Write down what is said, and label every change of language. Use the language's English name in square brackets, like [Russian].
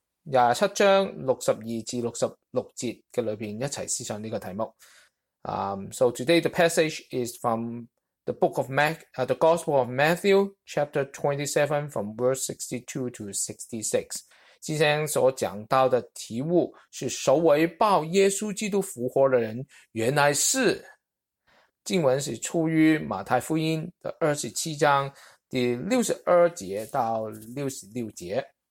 [Chinese] 27章62至66节的里面一起思想这个题目。 [English] So today the passage is from the book of the Gospel of Matthew, chapter 27, from verse 62 to 66. [Chinese] 今天所讲到的题目是首位报耶稣基督复活的人原来是。经文是出于马太福音的27章第62节到66节。